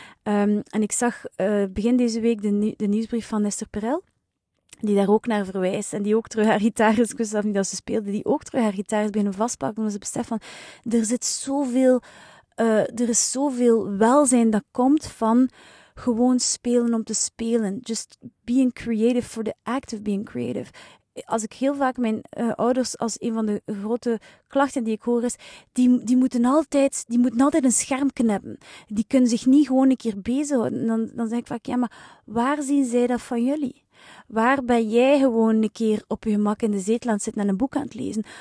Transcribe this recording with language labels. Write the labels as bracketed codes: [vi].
[nl] En ik zag begin deze week de nieuwsbrief van Esther Perel, die daar ook naar verwijst en die ook terug haar gitaar is, ik wist zelf niet dat ze speelde, die ook terug haar gitaar is beginnen vastpakken, omdat ze beseft van, er zit zoveel, er is zoveel welzijn dat komt van gewoon spelen om te spelen. [en] Just being creative for the act of being creative. [nl] Als ik heel vaak mijn ouders, als een van de grote klachten die ik hoor is, die moeten altijd een scherm knippen. Die kunnen zich niet gewoon een keer bezighouden. En dan zeg ik vaak, ja, maar waar zien zij dat van jullie? Waar ben jij gewoon een keer op je gemak in de zetel aan het zitten en een boek aan het lezen?